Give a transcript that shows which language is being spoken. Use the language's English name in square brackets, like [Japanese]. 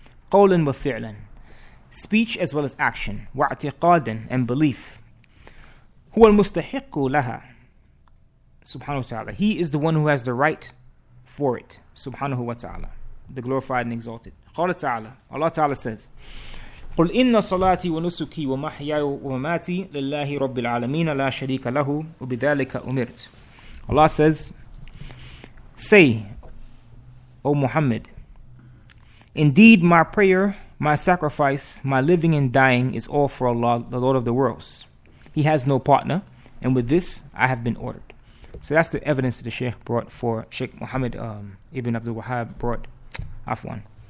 [Arabic] قَوْلًا وَفِعْلًا. [English] Speech as well as action. [Arabic] وَاعْتِقَادًا. [English] And belief. [Arabic] هُوَ الْمُسْتَحِقُّ لَهَا سُبْحَانَهُ وَتَعَالَى. [English] He is the one who has the right for it. [Arabic] سُبْحَانَهُ وَتَعَالَى. [English] The glorified and exalted. [Arabic] قَالَ تَعَالَى. [English] Allah Ta'ala says, [Arabic] قُلْ إِنَّ صَلَاتِي وَنُسُكِي وَمَحْيَايَ وَمَمَاتِي لِلَّهِ رَبِّ الْعَالَمِينَ لَا شَرِيكَ لَهُ وَبِذَلِكَ أُمِرْتُ. [English] Allah says, say, O Muhammad, indeed, my prayer, my sacrifice, my living and dying is all for Allah, the Lord of the worlds. He has no partner, and with this, I have been ordered. So that's the evidence that the Sheikh brought for, Sheikh Muhammad ibn Abdul Wahhab brought, Afwan.